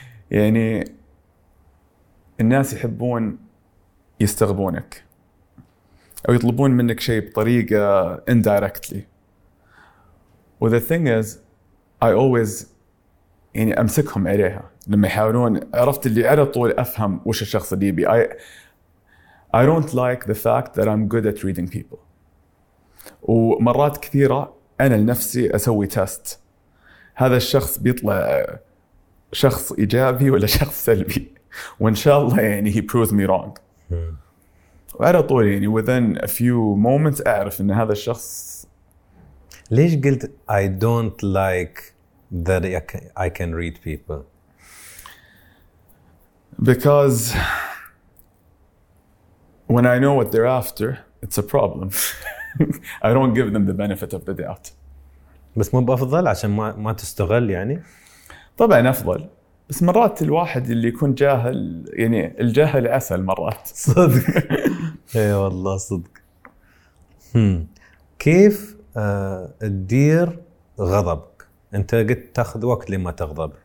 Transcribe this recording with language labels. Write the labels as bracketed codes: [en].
[ar] يعني الناس يحبون يستغبونك أو يطلبون منك شيء بطريقة indirectly. [en] And the thing is, I always [ar] يعني أمسكهم عليها لما يحاولون. عرفت اللي على طول أفهم وش الشخص اللي يبي. [en] I don't like the fact that I'm good at reading people. [ar] ومرات كثيرة أنا لنفسي أسوي تست. هذا الشخص بيطلع شخص إيجابي ولا شخص سلبي. وإن شاء الله يعني [en] he proves me wrong. [ar] وعلى طول يعني [en] within a few moments [ar] أعرف إن هذا الشخص. ليش قلت [en] I don't like that I can read people? Because when I know what they're after, it's a problem. I don't give them the benefit of the doubt. [ar] بس مو بأفضل عشان ما تستغل يعني. طبعا أفضل. بس مرات الواحد اللي يكون جاهل يعني الجاهل عسل مرات. صدق. إيه والله صدق. كيف تدير غضبك؟ أنت قلت تأخذ وقت لما تغضب.